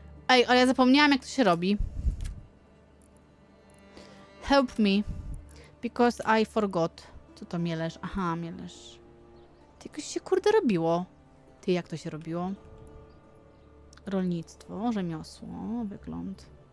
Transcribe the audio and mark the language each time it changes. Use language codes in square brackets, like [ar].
[pl] Ej, ale ja zapomniałam, jak to się robi. [en] Help me, because I forgot. [pl] Co to mielesz? Aha, mielesz. To jakoś się kurde robiło. Ty, jak to się robiło? Rolnictwo, rzemiosło, wygląd.